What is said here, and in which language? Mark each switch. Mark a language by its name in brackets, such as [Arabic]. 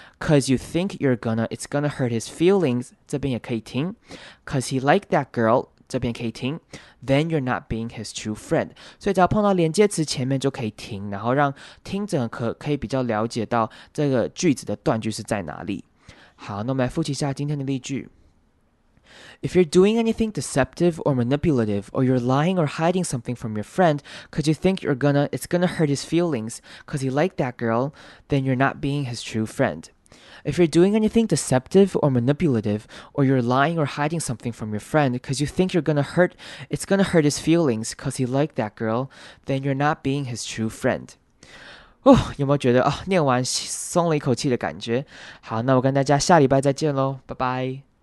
[English] Cause you think you're gonna, it's gonna hurt his feelings, [Chinese] 这边也可以停。 [English] Cause he liked that girl, [Chinese] 这边可以停 [English] then you're not being his true friend. [Chinese] 所以只要碰到连接词前面就可以停，然后让听者 可以比较了解到这个句子的断句是在哪里。好，那我们来复习一下今天的例句。 [English] If you're doing anything deceptive or manipulative, or you're lying or hiding something from your friend because you think you're gonna, it's gonna hurt his feelings because he liked that girl, then you're not being his true friend. If you're doing anything deceptive or manipulative, or you're lying or hiding something from your friend because you think you're gonna hurt, it's gonna hurt his feelings because he liked that girl, then you're not being his true friend. [Chinese] 哦，有没有觉得哦，念完松了一口气的感觉？好，那我跟大家下礼拜再见咯，拜拜。